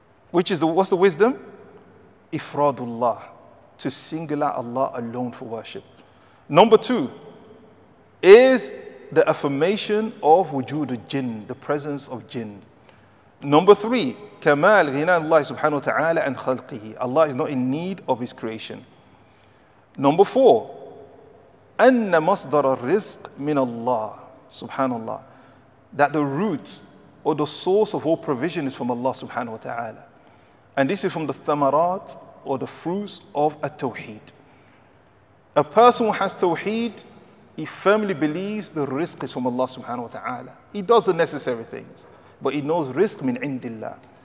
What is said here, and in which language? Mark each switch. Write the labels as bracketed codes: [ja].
[en] What's the wisdom? Ifradullah, to single out Allah alone for worship. Number two is the affirmation of wujud al-jinn, the presence of jinn. Number three, [ar] كَمَالْ غِنَى اللَّهِ سُبْحَانَهُ وَتَعَالَىٰ أَنْ خَلْقِهِ, [en] Allah is not in need of his creation. [ar] Number four, أَنَّ مَصْدَرَ الرِّزْقِ مِنَ اللَّهِ, سُبْحَانَ اللَّهِ, [en] that the root or the source of all provision is from Allah subhanahu wa ta'ala. And this is from the thamarat or the fruits of at-tawheed. A person who has tawheed, he firmly believes the risk is from Allah subhanahu wa ta'ala. He does the necessary things, but he knows risk min indillah.